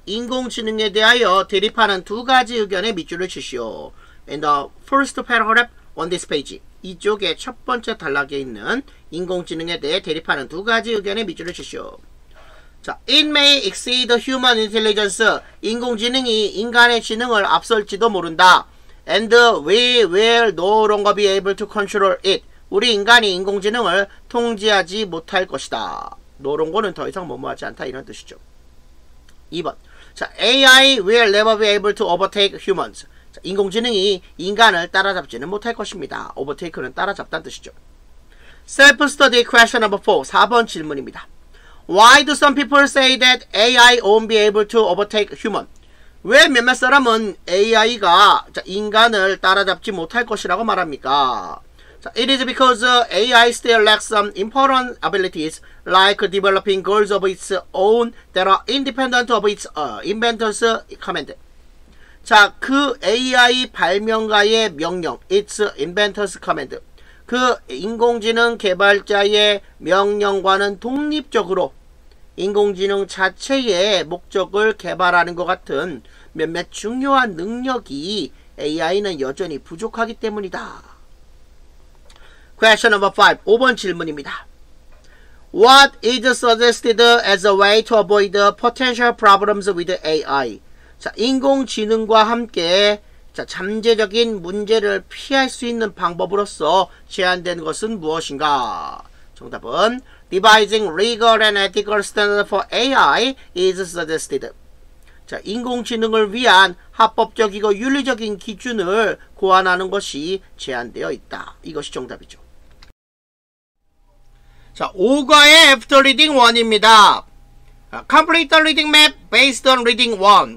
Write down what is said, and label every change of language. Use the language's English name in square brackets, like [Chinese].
[Korean] 인공지능에 대하여 대립하는 두 가지 의견에 밑줄을 치시오. [English] In the first paragraph on this page. [Korean] 이쪽에 첫 번째 단락에 있는 인공지능에 대해 대립하는 두 가지 의견에 밑줄을 치시오. [English] 자, it may exceed human intelligence. [Korean] 인공지능이 인간의 지능을 앞설지도 모른다. [English] And we will no longer be able to control it. [Korean] 우리 인간이 인공지능을 통제하지 못할 것이다. 노롱고는 더 이상 뭐뭐하지 않다. 이런 뜻이죠. 2번. 자, [English] AI will never be able to overtake humans. [Korean] 자, 인공지능이 인간을 따라잡지는 못할 것입니다. overtake는 따라잡다는 뜻이죠. [English] Self-study question number 4. [Korean] 4번 질문입니다. [English] Why do some people say that AI won't be able to overtake human? [Korean] 왜 몇몇 사람은 AI가 자, 인간을 따라잡지 못할 것이라고 말합니까? [English] 자, it is because AI still lacks some important abilities like developing goals of its own that are independent of its inventor's command. [Korean] 자, 그 AI 발명가의 명령, [English] its inventor's command. [Korean] 그 인공지능 개발자의 명령과는 독립적으로 인공지능 자체의 목적을 개발하는 것 같은 몇몇 중요한 능력이 AI는 여전히 부족하기 때문이다. [English] Question number 5. [Korean] 5번 질문입니다. [English] What is suggested as a way to avoid potential problems with AI? [Korean] 자, 인공지능과 함께 자, 잠재적인 문제를 피할 수 있는 방법으로서 제안된 것은 무엇인가? 정답은 [English] Devising legal and ethical standards for AI is suggested. [Korean] 자, 인공지능을 위한 합법적이고 윤리적인 기준을 고안하는 것이 제안되어 있다. 이것이 정답이죠. 자, 5과의 [English] after reading 1입니다. Complete the reading map based on reading 1.